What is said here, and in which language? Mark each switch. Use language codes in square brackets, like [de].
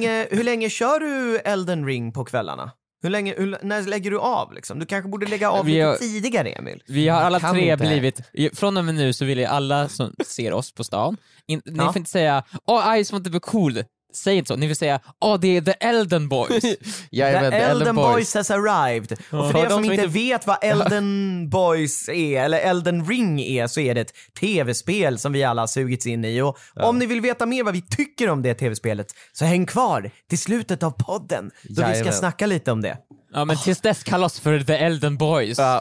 [sv] Hur länge kör du Elden Ring på kvällarna? När lägger du av liksom? Du kanske borde lägga av lite tidigare, Emil. Vi har alla tre blivit från och med nu så vill jag alla som ser oss på stan ni får inte säga Ice Mountain blir cool. Säg inte så. Ni vill säga det är The Elden Boys. [en] The Elden Boys has arrived. [sv] Och för de som inte vet vad Elden Boys är eller Elden Ring är, så är det ett tv-spel som vi alla har sugits in i. Och om ni vill veta mer vad vi tycker om det tv-spelet, så häng kvar till slutet av podden då vi ska snacka lite om det. Ja, men tills dess kalla oss för The Elden Boys.